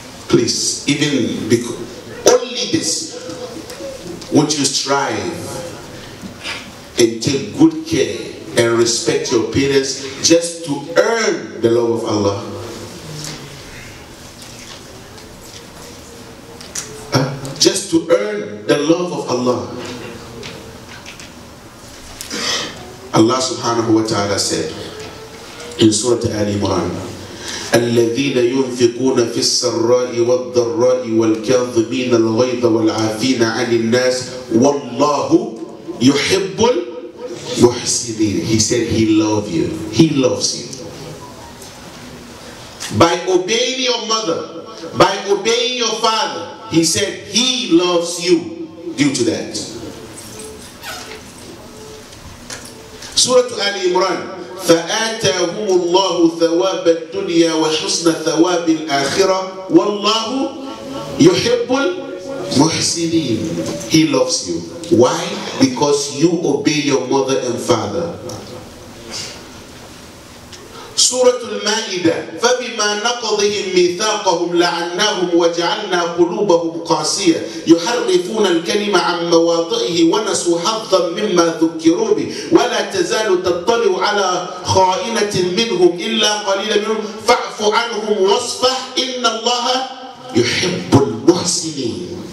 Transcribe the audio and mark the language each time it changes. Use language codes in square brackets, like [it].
[en] Please, even because only this, would you strive and take good care and respect your parents just to earn the love of Allah? Just to earn the love of Allah. Allah subhanahu wa ta'ala said in Surah Al-Imran, [ar] الذين ينفقون في السراء والضراء والكاظمين الغيظ والعافين عن الناس والله يحب المحسنين. [en] He said he loves you. He loves you. By obeying your mother, by obeying your father, he said he loves you due to that. Surah Al-Imran. [ar] فآتاهم الله ثواب الدنيا وحسن ثواب الآخرة والله يحب المحسنين. [en] He loves you. Why? Because you obey your mother and father. [ar] سورة المائدة فبما نقضهم ميثاقهم لعناهم وجعلنا قلوبهم قاسية يحرفون الكلمة عن مواضعه ونسوا حظا مما ذكروا به ولا تزال تطلع على خائنة منهم إلا قليلا منهم فاعف عنهم واصفح إن الله يحب المحسنين.